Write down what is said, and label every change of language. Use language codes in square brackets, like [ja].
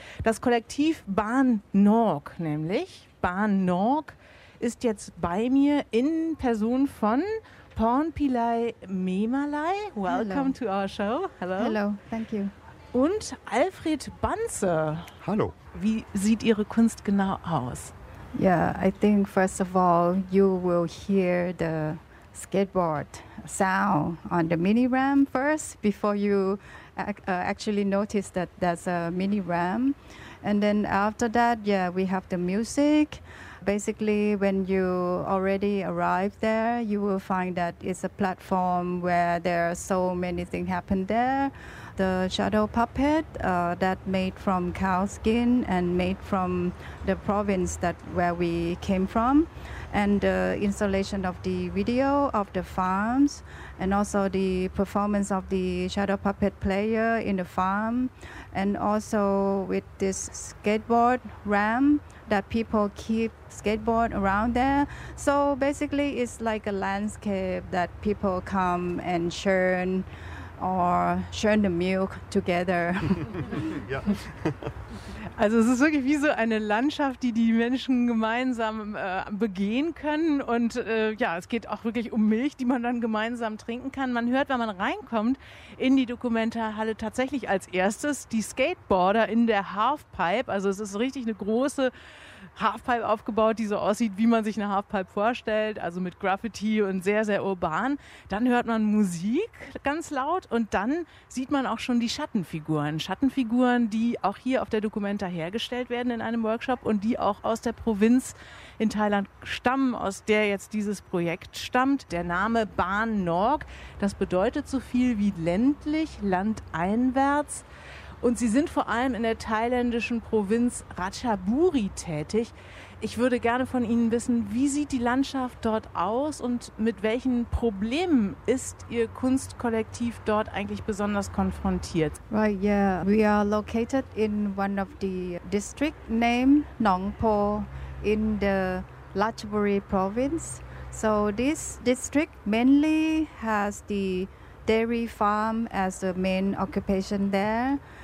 [de] Das Kollektiv Ban Nork nämlich. Ban Nork ist jetzt bei mir in Person von Pornpilai Memalai. [en] Welcome Hello. To our show. Hello. Hello, thank you. [de] Und Alfred Banse. Hallo. Wie sieht Ihre Kunst genau aus? [en] Yeah, I think first of all, you will hear the skateboard sound on the mini ramp first before you actually notice that there's a mini ramp. And then after that, yeah, we have the music. Basically, when you already arrive there, you will find that it's a platform where there are so many things happen there. The shadow puppet that made from cow skin and made from the province that where we came from. And the installation of the video of the farms, and also the performance of the shadow puppet player in the farm, and also with this skateboard ramp that people keep skateboard around there. So basically it's like a landscape that people come and churn or churn the milk together. [de] Also es ist wirklich wie so eine Landschaft, die die Menschen gemeinsam begehen können. Und ja, es geht auch wirklich um Milch, die man dann gemeinsam trinken kann. Man hört, wenn man reinkommt in die Dokumentarhalle, tatsächlich als erstes die Skateboarder in der Halfpipe. Also es ist richtig eine große Halfpipe aufgebaut, die so aussieht, wie man sich eine Halfpipe vorstellt. Also mit Graffiti und sehr, sehr urban. Dann hört man Musik ganz laut und dann sieht man auch schon die Schattenfiguren. Schattenfiguren, die auch hier auf der Documenta hergestellt werden in einem Workshop und die auch aus der Provinz in Thailand stammen, aus der jetzt dieses Projekt stammt. Der Name Ban Nork, das bedeutet so viel wie ländlich, landeinwärts. Und Sie sind vor allem in der thailändischen Provinz Ratchaburi tätig. Ich würde gerne von Ihnen wissen, wie sieht die Landschaft dort aus und mit welchen Problemen ist Ihr Kunstkollektiv dort eigentlich besonders konfrontiert? [en] Right, yeah. We are located in one of the district named Nong Po in the Ratchaburi province. So this district mainly has the dairy farm as the main occupation there.